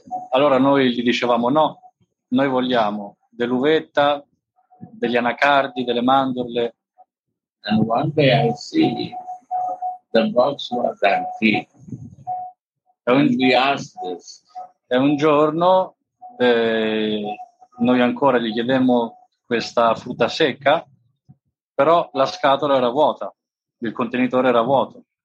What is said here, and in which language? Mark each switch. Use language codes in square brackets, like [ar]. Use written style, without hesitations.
[it] allora noi gli dicevamo no, noi vogliamo dell'uvetta, degli anacardi, delle mandorle. [en] And one day I see the box was empty. And we asked this. [it] E un giorno noi ancora gli chiedemmo questa frutta secca, però la scatola era vuota, il contenitore era vuoto.